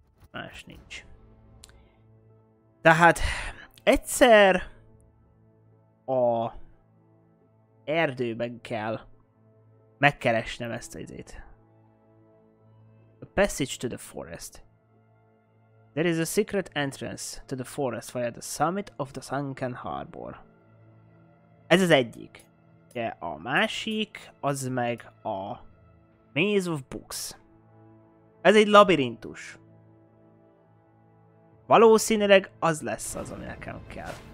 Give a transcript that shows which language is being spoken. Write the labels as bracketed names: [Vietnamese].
[Hungarian] Más nincs. Tehát... egyszer... a erdőben kell megkeresnem ezt az izét. [English] A passage to the forest. There is a secret entrance to the forest via the summit of the sunken harbor. [Hungarian] Ez az egyik. De a másik az meg a Maze of Books. Ez egy labirintus. Valószínűleg az lesz az, ami nekem kell.